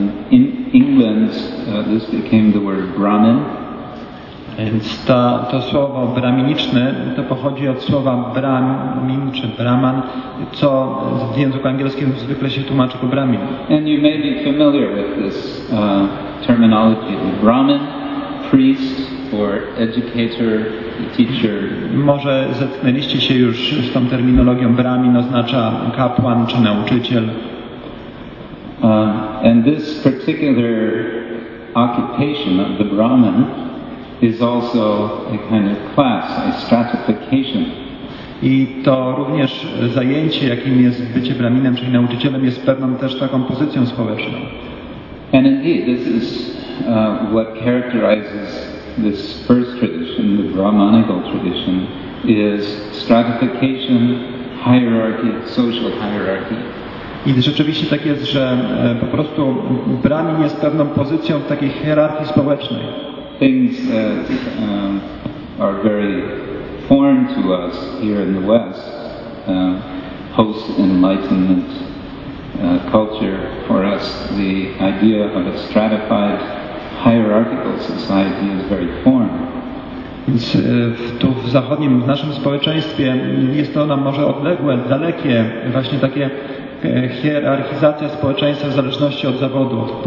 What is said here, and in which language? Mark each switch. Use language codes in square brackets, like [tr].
[en] In England, this became the word brahmin. [pl] Więc to słowo brahminiczne to pochodzi od słowa brahmin czy brahman, co w języku angielskim zwykle się tłumaczy po brahmin. [en] And you may be familiar with this terminology, brahmin, priest or educator, teacher. [pl] Może zetknęliście się już z tą terminologią brahmin, oznacza kapłan czy nauczyciel. [en] And this particular occupation of the brahmin is also a kind of class, a stratification. [pl] I to również zajęcie, jakim jest bycie brahminem, czyli nauczycielem, jest pewną też taką pozycją społeczną. [en] And indeed, this is what characterizes this first tradition, the Brahmanical tradition, is stratification, hierarchy, social hierarchy. [pl] I rzeczywiście tak jest, że po prostu brahmin jest pewną pozycją w takiej hierarchii społecznej. [en] Things that are very foreign to us here in the West, post-enlightenment culture, for us the idea of a stratified hierarchical society is very foreign. [pl] Więc tu w zachodnim, w naszym społeczeństwie jest to nam może odległe, dalekie, właśnie takie hierarchizacja społeczeństwa w zależności od zawodu.